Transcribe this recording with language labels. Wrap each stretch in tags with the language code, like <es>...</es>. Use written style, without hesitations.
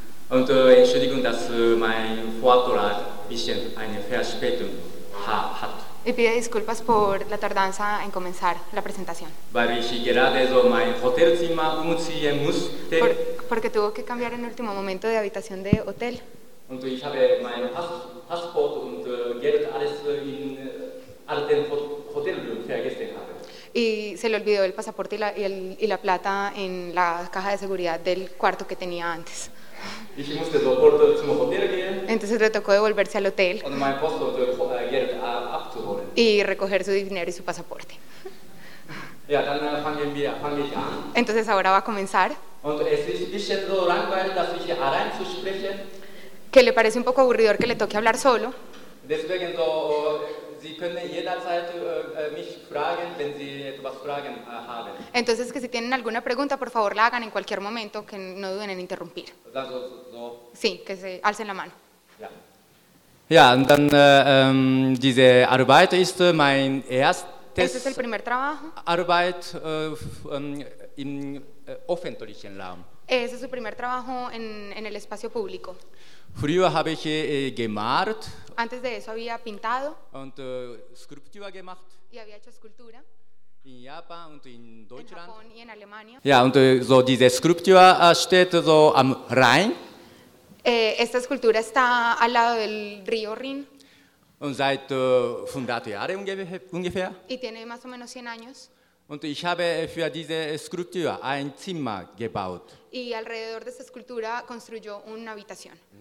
<de>Und Entschuldigung, dass mein Vortrag bisschen eine Verspätung hat.</de> <es>Y pide disculpas por la tardanza en comenzar la presentación.</es> <de>Weil ich gerade so mein Hotelzimmer umziehen musste.</de> <es>Porque tuvo que cambiar en último momento de habitación de hotel.</es> <de>Und ich habe mein Passport und Geld alles in alten Hotelrum vergessen habe.</de> <es>Y se le olvidó el pasaporte y la plata en la caja de seguridad del cuarto que tenía antes.</es> <de>Ich musste sofort zum Hotel gehen.</de> <es>Entonces le tocó devolverse al hotel.</es> <de>Und mein Passport und Geld abzuholen.</de> <es>Y recoger su dinero y su pasaporte.</es> <de>Ja, dann fange ich an.</de> <es>Entonces ahora va a comenzar.</es> <de>Und es ist ein bisschen so langweilig, dass ich hier allein zu sprechen.</de> <es>Que le parece un poco aburridor que le toque hablar solo.</es> <de>Deswegen so, Sie können jederzeit mich fragen, wenn Sie etwas fragen haben.</de> <es>Entonces, que si tienen alguna pregunta, por favor la hagan en cualquier momento, que no duden en interrumpir. Sí, que se alcen la mano.</es> <de>Ja, und dann diese Arbeit ist mein erstes.</de> <es>Es el primer trabajo.</es> <de>Arbeit im öffentlichen Raum.</de> <es>Ese es su primer trabajo en el espacio público.</es> <de>Früher habe ich gemalt.</de> <es>Antes de eso había pintado.</es> <de>Und Skulptur gemacht.</de> <es>Y había hecho escultura.</es> <de>In Japan und in Deutschland.</de> <es>En Japón y en Alemania.</es> <de>Ja, und so diese Skulptur steht so am Rhein.</de> <es>Esta escultura está al lado del río Rhin.</es> <de>Und seit 100 Jahre ungefähr.</de> <es>Y tiene más o menos 100 años.</es> <de>Und ich habe für diese Skulptur ein Zimmer gebaut.</de> <es>Y alrededor de esta escultura construyó una habitación.</es>